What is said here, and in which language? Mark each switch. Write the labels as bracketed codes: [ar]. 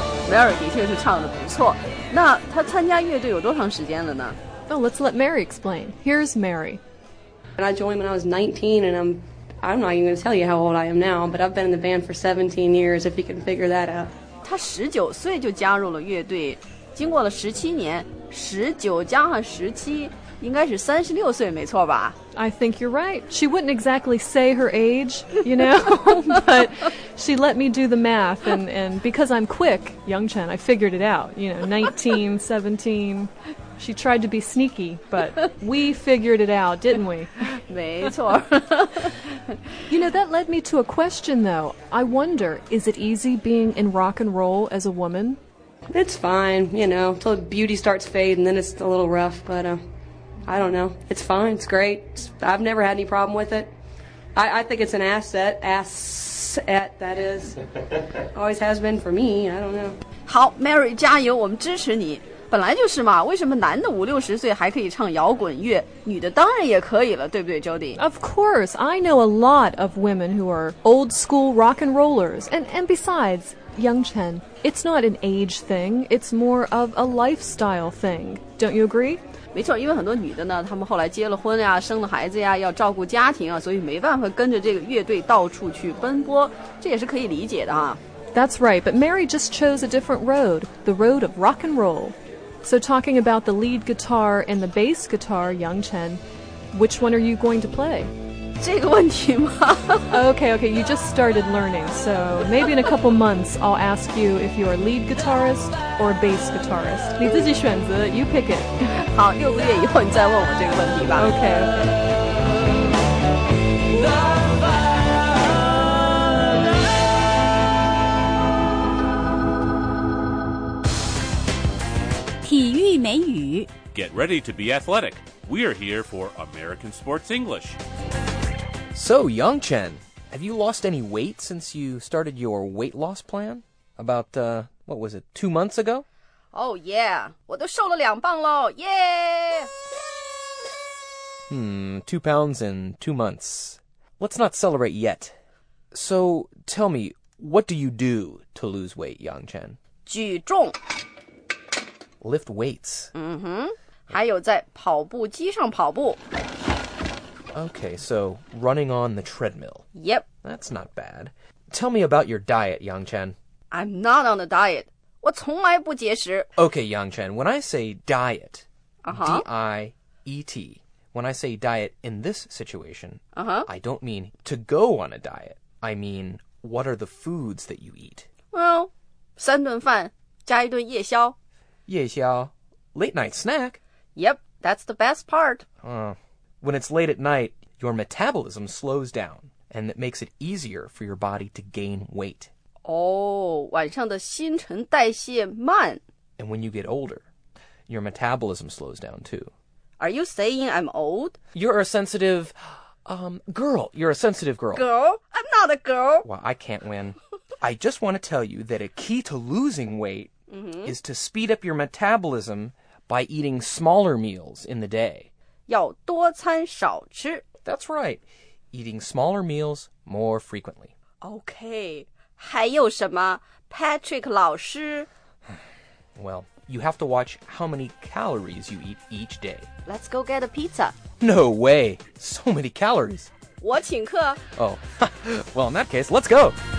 [zh] Mary 的确是唱得不错。那她参加乐队有多长时间了呢？ [en] Oh, let's let Mary explain. Here's Mary. And I joined when I was 19, and I'm not even going to tell you how old I am now, but I've been in the band for 17 years, if you can figure that out. [zh] 她19岁就加入了乐队，经过了17年，19加上17，应该是36岁，没错吧？ [en] I think you're right. She wouldn't exactly say her age, you know, but she let me do the math, and because I'm quick, Young Chen, I figured it out, you know, 19, 17... She tried to be sneaky, but we figured it out, didn't we? [zh] 没错。 [en] You know, that led me to a question, though. I wonder, is it easy being in rock and roll as a woman? It's fine, you know, until beauty starts fading, then it's a little rough, but I don't know. It's fine, it's great. I've never had any problem with it. I think it's an asset. Asset, that is. Always has been for me, I don't know. [zh] 好 ,Mary, 加油,我们支持你。本来就是嘛，为什么男的五六十岁还可以唱摇滚乐，女的当然也可以了，对不对 ，Jody？ [en] Of course, I know a lot of women who are old school rock and rollers. And besides, Young Chen, it's not an age thing. It's more of a lifestyle thing. Don't you agree? [zh] 没错，因为很多女的呢，她们后来结了婚呀，生了孩子呀，要照顾家庭啊，所以没办法跟着这个乐队到处去奔波，这也是可以理解的啊。 [en] That's right, but Mary just chose a different road, the road of rock and roll. So talking about the lead guitar and the bass guitar, Young Chen, which one are you going to play? [zh] 这个问题吗? [en] Okay, you just started learning, so maybe in a couple months I'll ask you if you're a lead guitarist or a bass guitarist. [zh] 你自己选择, [en] you pick it. [zh] 好,六个月以后你再问我这个问题吧。 [en] Okay. [zh] 美语 [en] Get ready to be athletic. We are here for American Sports English. So, Young Chen, have you lost any weight since you started your weight loss plan? About, what was it, 2 months ago? Oh, yeah. [zh] 我都瘦了两磅了 [en] Yeah! 2 pounds in 2 months. Let's not celebrate yet. So, tell me, what do you do to lose weight, Young Chen? [zh] 举重 [en] Lift weights. [zh] 嗯哼，还有在跑步机上跑步。 [en] Okay, so running on the treadmill. Yep. That's not bad. Tell me about your diet, Yang Chen. I'm not on a diet. [zh] 我从来不节食。 [en] Okay, Yang Chen, when I say diet,、D-I-E-T, when I say diet in this situation,、I don't mean to go on a diet. I mean, what are the foods that you eat? [zh] Well, 三顿饭加一顿夜宵。 [en] 夜宵, late night snack. Yep, that's the best part. When it's late at night, your metabolism slows down, and it makes it easier for your body to gain weight. [zh] Oh, 晚上的新陈代谢慢. [en] And when you get older, your metabolism slows down too. Are you saying I'm old? You're a sensitive, girl. You're a sensitive girl. Girl? I'm not a girl. Well, I can't win. I just want to tell you that a key to losing weight,is to speed up your metabolism by eating smaller meals in the day. [zh] 要多餐少吃。 [en] That's right. Eating smaller meals more frequently. Okay. [zh] 还有什么 Patrick 老师 [en] Well, you have to watch how many calories you eat each day. Let's go get a pizza. No way. So many calories. [zh] 我请客。 [en] Oh. Well, in that case, let's go.